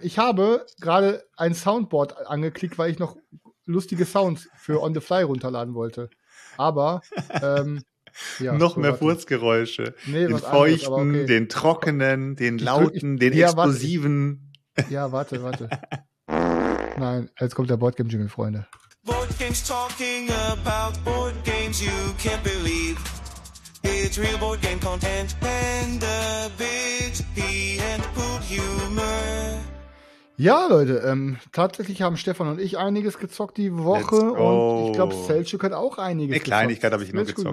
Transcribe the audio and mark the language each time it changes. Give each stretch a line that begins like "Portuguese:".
German: Ich habe gerade ein Soundboard angeklickt, weil ich noch lustige Sounds für On the Fly runterladen wollte. Aber, ja, noch so mehr Furzgeräusche. Nee, den feuchten, anderes, okay. Den trockenen, den lauten, explosiven. Warte. Nein, jetzt kommt der Boardgame-Jingle, Freunde.
English: Board games talking about board games you can't believe. It's real board game content and a bit and poop humor.
German: Ja, Leute, tatsächlich haben Stefan und ich einiges gezockt die Woche und ich glaube, Selçuk hat auch einiges gezockt. Eine Kleinigkeit habe ich nur gezockt.